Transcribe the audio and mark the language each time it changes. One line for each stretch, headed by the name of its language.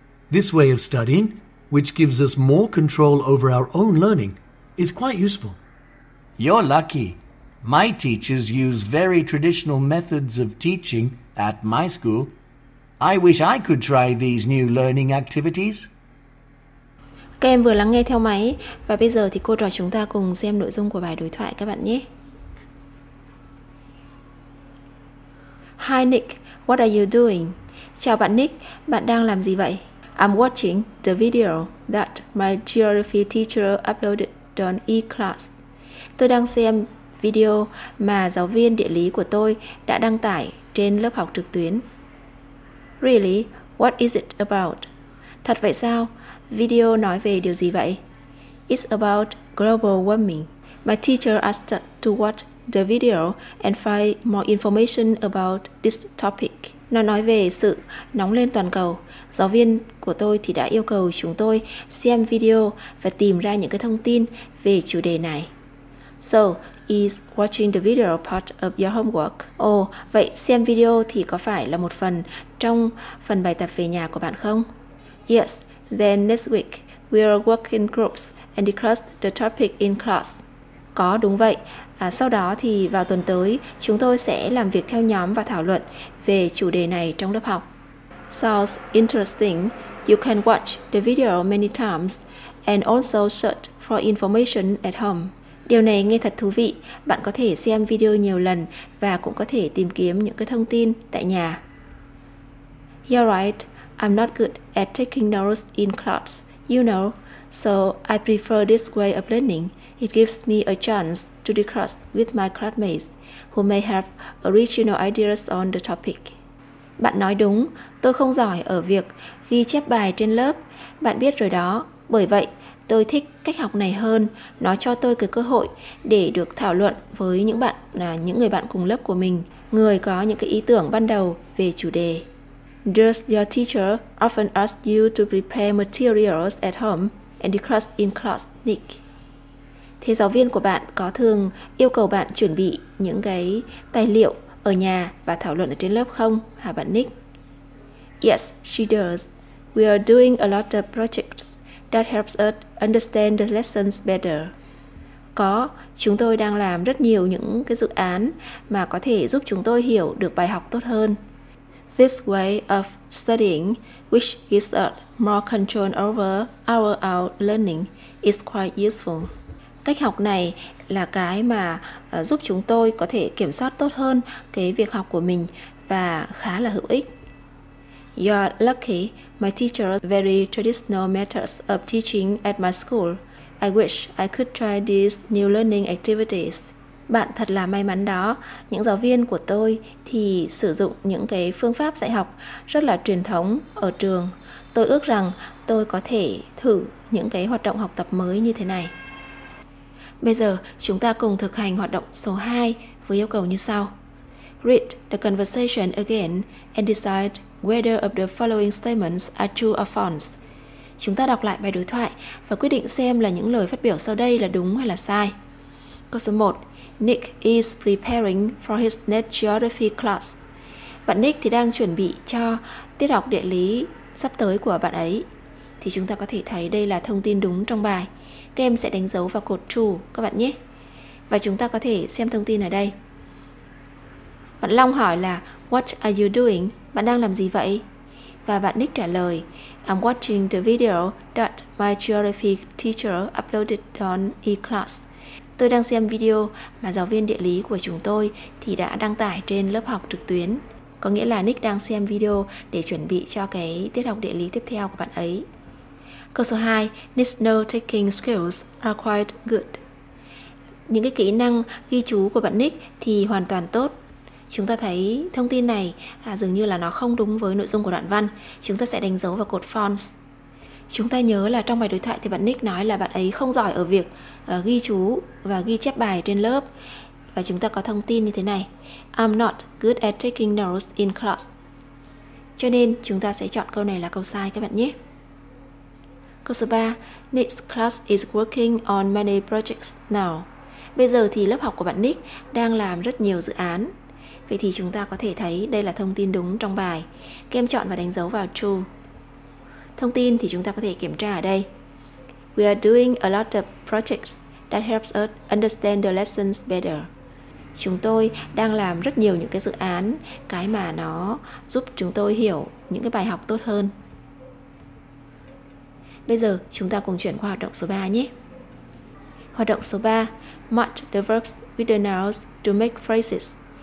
English: This way of studying, which gives us more control over our own learning, is quite useful. You're lucky. My teachers use very traditional methods of teaching at my school. I wish I could try these new learning activities.
Vietnamese: Các em vừa lắng nghe theo máy và bây giờ thì cô trò chúng ta cùng xem nội dung của bài đối thoại các bạn nhé.
English: Hi Nick, what are you doing?
Vietnamese: Chào bạn Nick, bạn đang làm gì vậy?
English: I'm watching the video that my geography teacher uploaded on eClass.
Vietnamese: Tôi đang xem video mà giáo viên địa lý của tôi đã đăng tải trên lớp học trực tuyến.
English: Really? What is it about?
Vietnamese: Thật vậy sao? Video nói về điều gì vậy?
English: It's about global warming. My teacher asked to watch the video and find more information about this topic.
Vietnamese: Nó nói về sự nóng lên toàn cầu. Giáo viên của tôi thì đã yêu cầu chúng tôi xem video và tìm ra những cái thông tin về chủ đề này.
English: So, is watching the video part of your homework?
Vietnamese: Oh, vậy xem video thì có phải là một phần trong phần bài tập về nhà của bạn không?
English: Yes, then next week we are working groups and discuss the topic in class.
Vietnamese: Có, đúng vậy. Sau đó thì vào tuần tới, chúng tôi sẽ làm việc theo nhóm và thảo luận về chủ đề này trong lớp học.
English: Sounds interesting. You can watch the video many times and also search for information at home.
Vietnamese: Điều này nghe thật thú vị. Bạn có thể xem video nhiều lần và cũng có thể tìm kiếm những cái thông tin tại nhà.
English: You're right. I'm not good at taking notes in class, you know. So I prefer this way of learning. It gives me a chance to discuss with my classmates who may have original ideas on the topic.
Vietnamese: Bạn nói đúng, tôi không giỏi ở việc ghi chép bài trên lớp, bạn biết rồi đó. Bởi vậy, tôi thích cách học này hơn, nó cho tôi cái cơ hội để được thảo luận với những bạn là những người bạn cùng lớp của mình, người có những cái ý tưởng ban đầu về chủ đề.
English: Does your teacher often ask you to prepare materials at home and discuss in class, Nick?
Vietnamese: Thế giáo viên của bạn có thường yêu cầu bạn chuẩn bị những cái tài liệu ở nhà và thảo luận ở trên lớp không, hả bạn Nick?
English: Yes, she does. We are doing a lot of projects that helps us understand the lessons better.
Vietnamese: Có, chúng tôi đang làm rất nhiều những cái dự án mà có thể giúp chúng tôi hiểu được bài học tốt hơn.
English: This way of studying, which gives us more control over our learning, is quite useful.
Vietnamese: Cách học này là cái mà giúp chúng tôi có thể kiểm soát tốt hơn cái việc học của mình và khá là hữu ích.
English: You're lucky, my teacher has very traditional methods of teaching at my school. I wish I could try these new learning activities.
Vietnamese: Bạn thật là may mắn đó, những giáo viên của tôi thì sử dụng những cái phương pháp dạy học rất là truyền thống ở trường. Tôi ước rằng tôi có thể thử những cái hoạt động học tập mới như thế này. Bây giờ chúng ta cùng thực hành hoạt động số 2 với yêu cầu như sau.
English: Read the conversation again and decide whether of the following statements are true or false.
Vietnamese: Chúng ta đọc lại bài đối thoại và quyết định xem là những lời phát biểu sau đây là đúng hay là sai. Câu số 1.
English: Nick is preparing for his next geography class.
Vietnamese: Bạn Nick thì đang chuẩn bị cho tiết học địa lý sắp tới của bạn ấy. Thì chúng ta có thể thấy đây là thông tin đúng trong bài. Các em sẽ đánh dấu vào cột true các bạn nhé. Và chúng ta có thể xem thông tin ở đây. Bạn Long hỏi là
English: What are you doing?
Vietnamese: Bạn đang làm gì vậy? Và bạn Nick trả lời
English: I'm watching the video that my geography teacher uploaded on eClass.
Vietnamese: Tôi đang xem video mà giáo viên địa lý của chúng tôi thì đã đăng tải trên lớp học trực tuyến. Có nghĩa là Nick đang xem video để chuẩn bị cho cái tiết học địa lý tiếp theo của bạn ấy. Câu số 2,
English: Nick's note-taking skills are quite good.
Vietnamese: Những cái kỹ năng ghi chú của bạn Nick thì hoàn toàn tốt. Chúng ta thấy thông tin này dường như là nó không đúng với nội dung của đoạn văn. Chúng ta sẽ đánh dấu vào cột false. Chúng ta nhớ là trong bài đối thoại thì bạn Nick nói là bạn ấy không giỏi ở việc ghi chú và ghi chép bài trên lớp. Và chúng ta có thông tin như thế này.
English: I'm not good at taking notes in class.
Vietnamese: Cho nên chúng ta sẽ chọn câu này là câu sai các bạn nhé. Câu số 3.
English: Nick's class is working on many projects now.
Vietnamese: Bây giờ thì lớp học của bạn Nick đang làm rất nhiều dự án. Vậy thì chúng ta có thể thấy đây là thông tin đúng trong bài. Các em chọn và đánh dấu vào true. Thông tin thì chúng ta có thể kiểm tra ở đây.
English: We are doing a lot of projects that helps us understand the lessons better.
Vietnamese: Chúng tôi đang làm rất nhiều những cái dự án, cái mà nó giúp chúng tôi hiểu những cái bài học tốt hơn. Bây giờ chúng ta cùng chuyển qua hoạt động số 3 nhé. Hoạt động số 3,
English: match the verbs with the nouns to make phrases.